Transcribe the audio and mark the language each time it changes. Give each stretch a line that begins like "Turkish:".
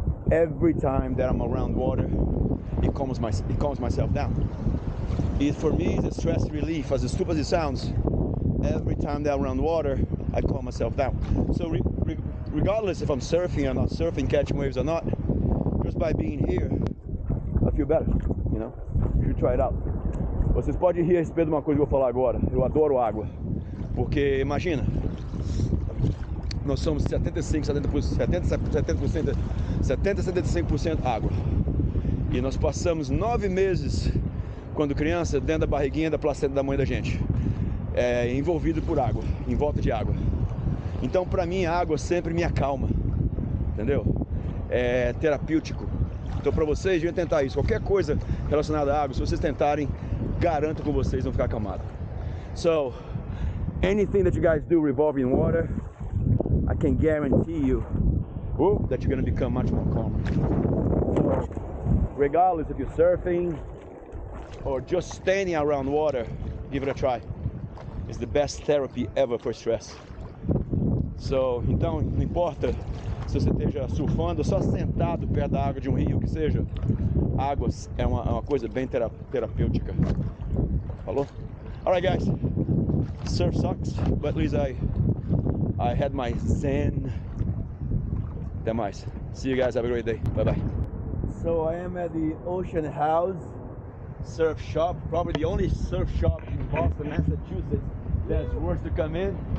English: Every time that I'm around water, it calms myself down. For me, it's a stress relief. As stupid as it sounds, every time that I'm around water, I calm myself down. So regardless if I'm surfing or not surfing, catching waves or not, just by being here, I feel better, you know? You should try it out.
Portuguese: Vocês podem rir a respeito de uma coisa que eu vou falar agora. Eu adoro água. Porque imagina, nós somos 75% água. E nós passamos 9 meses, quando criança, dentro da barriguinha da placenta da mãe da gente. É, envolvido por água, em volta de água. Então, para mim, a água sempre me acalma. Entendeu? É terapêutico. Então, para vocês, deviam tentar isso. Qualquer coisa relacionada à água, se vocês tentarem, garanto com vocês, vão ficar acalmados.
English: So, anything that you guys do revolving water, I can guarantee you that you're going to become much more calm. So, regardless if you're surfing or just standing around water, give it a try. It's the best therapy ever for stress.
Portuguese: So, então, não importa se você esteja surfando ou só sentado perto da água de um rio, que seja, águas é uma coisa bem terapêutica.
English: Falou? All right, guys. Surf sucks, but at least I had my zen demise. See you guys, have a great day, bye bye. So I am at the Ocean House Surf Shop, probably the only surf shop in Boston, Massachusetts that's worth to come in.